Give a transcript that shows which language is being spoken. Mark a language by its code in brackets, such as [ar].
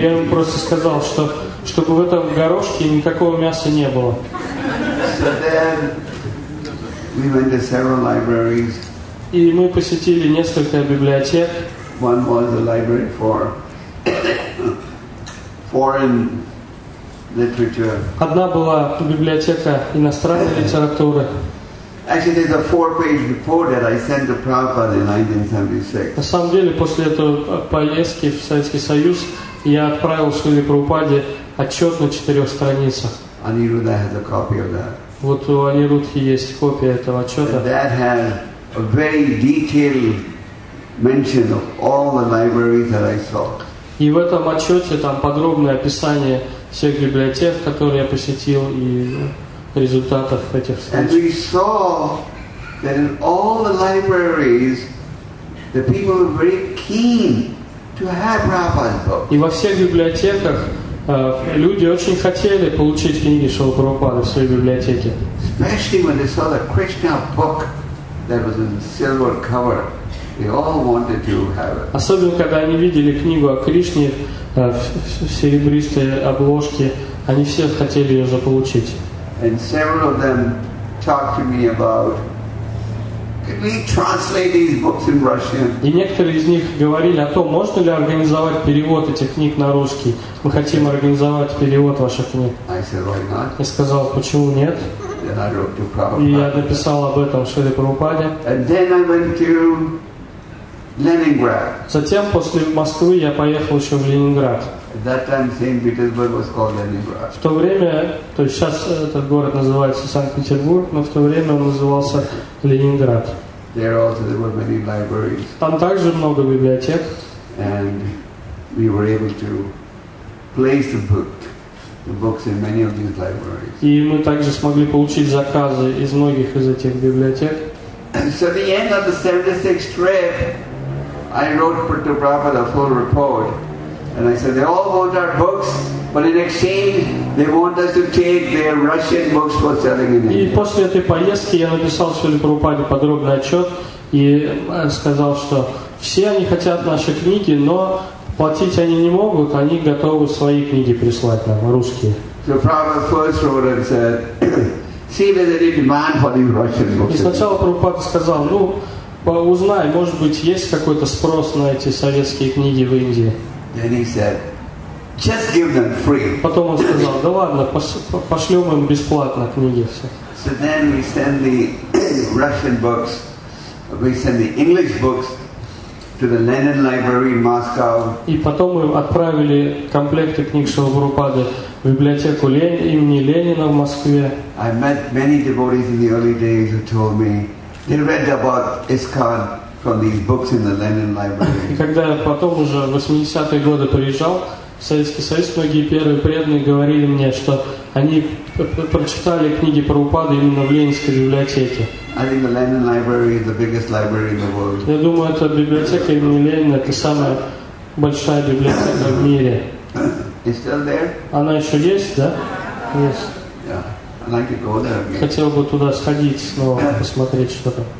[ru] Я ему просто сказал, что чтобы в этом горошке никакого мяса не было. [en] So then we went to several libraries. [ru] И мы посетили несколько библиотек. [en] One was a library for foreign literature. [ru] Одна была библиотека иностранной литературы. [en] Actually, there's a four-page report that I sent to Prabhupada in 1976. [ru] На самом деле, после этого поездки в Советский Союз, я отправил Шриле Прабхупаде отчет на четырех страницах. [en] Aniruddha has a copy of that. [ru] Вот у Анирудхи есть копия этого отчета. [en] And that had a very detailed mention of all the libraries that I saw. [ru] И в этом отчете там подробное описание всех библиотек, которые я посетил, и результатов этих встреч. [en] And we saw that in all the libraries, the people were very keen to have Prabhupada's book. [ru] И во всех библиотеках люди очень хотели получить книги Шрилы Прабхупады в своей библиотеке. [en] Especially when they saw the Krishna book that was in the silver cover, they all wanted to have it. [ru] Особенно когда они видели книгу о Кришне в серебристой обложке, они все хотели ее заполучить. [en] And several of them talked to me about, can we translate these books in Russian? [ru] И некоторые из них говорили о том, можно ли организовать перевод этих книг на русский. Мы хотим организовать перевод ваших книг. [en] I said, why not? [ru] Я сказал, почему нет? [en] Then I wrote to Prabhupada. [ru] И я написал об этом Шриле Прабхупаде. [en] And then I went to Leningrad. [ru] Затем после Москвы я поехал еще в Ленинград. [en] At that time, Saint Petersburg was called Leningrad. [ru] В то время, то есть сейчас этот город называется Санкт-Петербург, но в то время он назывался Ленинград. [en] There also there were many libraries. [ru] Там также много библиотек. [en] And we were able to place the books in many of these libraries. [ru] И мы также смогли получить заказы из многих из этих библиотек. [en] And so at the end of the 76th trip, I wrote for the Prabhupada a full report. And I said, they all want our books, but in exchange, they want us to take their Russian books for selling in India. [ru] И после этой поездки я написал Шриле Прабхупаде подробный отчет и сказал, что все они хотят наши книги, но платить они не могут, они готовы свои книги прислать нам, русские. [en] So Prabhupada first wrote and said, see whether there is demand for these Russian books. [ru] И сначала Прабхупада сказал, ну, узнай, может быть, есть какой-то спрос на эти советские книги в Индии. [en] Then he said, just give them free. [ru] Потом он сказал, да ладно, пошлем им бесплатно книги все. [en] So then we send the Russian books, we send the English books to the Lenin Library in Moscow. [ru] И потом мы отправили комплекты книг Шрилы Прабхупады в библиотеку имени Ленина в Москве. [en] I met many devotees in the early days who told me they read about ISKCON. From these books in the Lenin Library. [ru] И когда я потом уже в 80-е годы приезжал в Советский Союз, многие первые преданные говорили мне, что они прочитали книги Прабхупады именно в Ленинской библиотеке. [en] I think the Lenin Library is the biggest library in the world. [ru] Я думаю, эта библиотека имени Ленина — это самая большая библиотека в мире. [en] It's still there? [ru] Она еще есть, да? [en] Yes. I'd like to go there again. [ru] Хотел бы туда сходить снова, посмотреть что-то.